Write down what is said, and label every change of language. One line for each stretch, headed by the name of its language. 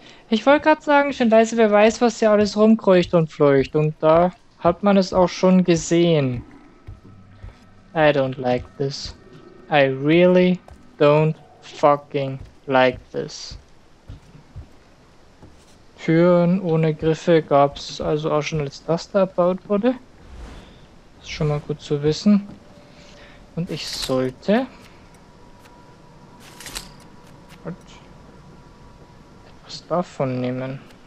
German: Ich wollte gerade sagen, schön leise, wer weiß, was hier alles rumkreucht und fleucht. Und da hat man es auch schon gesehen.
English: I don't like this. I really don't fucking like this.
German: Türen ohne Griffe gab's also auch schon, als das da erbaut wurde. Ist schon mal gut zu wissen. Und ich sollte... ...etwas davon nehmen.